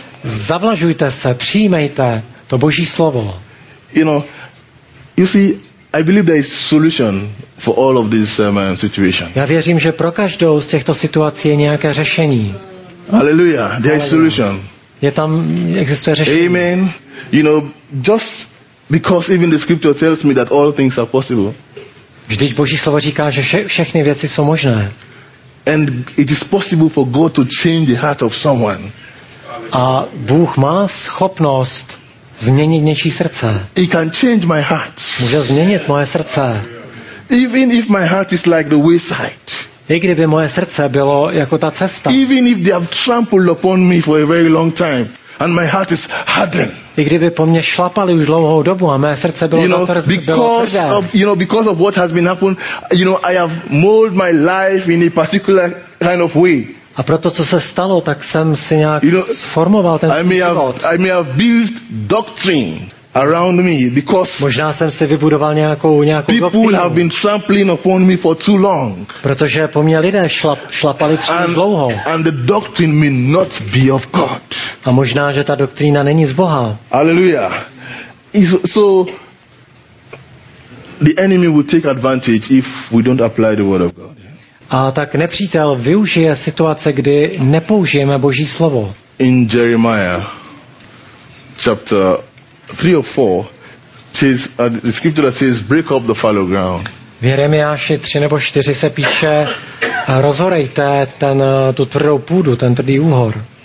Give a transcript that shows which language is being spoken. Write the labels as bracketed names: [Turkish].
[Czech] Zavlažujte se, přijmejte to Boží slovo. [English] You know, you see, I believe there is solution for all of this situation. [Czech] Já věřím, že pro každou z těchto situací je nějaké řešení. [English] Hallelujah, there is solution. [Czech] Je tam, existuje řešení. Amen. [English] You know, just because even the scripture tells me that all things are possible. [Czech] Vždyť Boží slovo říká, že všechny věci jsou možné. [English] And it is possible for God to change the heart of someone. [Czech] A Bůh má schopnost změnit něčí srdce. [English] He can change my heart. [Czech] Může změnit moje srdce. [English] Even if my heart is like the wayside. [Czech] I kdyby moje srdce bylo jako ta cesta. [English] Even if they have trampled upon me for a very long time and my heart is hardened. [Czech] I kdyby po mně šlapali už dlouhou dobu a mé srdce bylo zatvrzené. [English] Because of what has been happened, you know, I have molded my life in a particular kind of way. [Czech] A proto, co se stalo, tak jsem si nějak sformoval ten život. [English] I may have built doctrine around me because [Czech] možná jsem si vybudoval nějakou doktrínu. People have been trampling upon me for too long. Protože po mě lidé šlapali příliš dlouho. And the doctrine may not be of God. A možná, že ta doktrína není z Boha. Hallelujah. [English] So the enemy will take advantage if we don't apply the word of God. [Czech] A tak nepřítel využije situace, kdy nepoužijeme Boží slovo. [English] In Jeremiah chapter 3 or 4 says, the scripture says, break up the fallow ground. [Czech] V Jeremiáši 3 nebo 4 se píše, rozorejte tu tvrdou půdu, ten tvrdý úhor.